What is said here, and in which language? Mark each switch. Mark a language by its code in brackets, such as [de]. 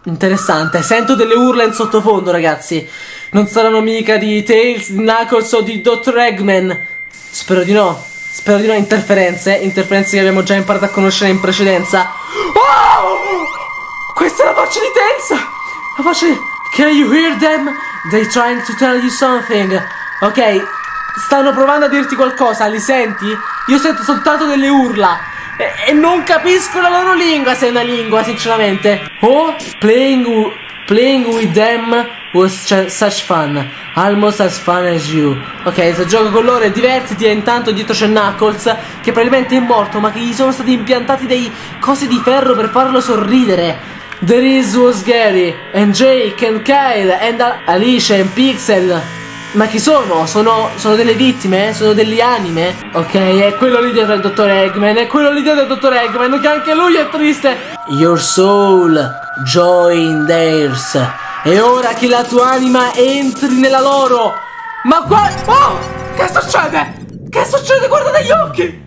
[it] Interessante, sento delle urla in sottofondo, ragazzi. Non saranno mica di Tails, di Knuckles o di Dr. Eggman. Spero di no. Spero di no, interferenze. Interferenze che abbiamo già imparato a conoscere in precedenza. Oh! Questa è la faccia di Tails. La faccia di... [en] Can you hear them? They're trying to tell you something. [it] Ok, stanno provando a dirti qualcosa, li senti? Io sento soltanto delle urla e non capisco la loro lingua, se è una lingua, sinceramente. [en] Oh, playing with them was such fun. Almost as fun as you. [it] Ok, se gioco con loro e divertiti. E intanto dietro c'è Knuckles, che probabilmente è morto, ma che gli sono stati impiantati dei cose di ferro per farlo sorridere. [en] There is was Gary and Jake and Kyle and Alicia and Pixel. [it] Ma chi sono? Sono delle vittime? Sono delle anime? Ok, è quello lì dietro il dottor Eggman. È quello lì dietro il dottor Eggman, che anche lui è triste. [en] Your soul join theirs. [it] È ora che la tua anima entri nella loro. Ma qua... Oh! Che succede? Che succede? Guarda dagli occhi!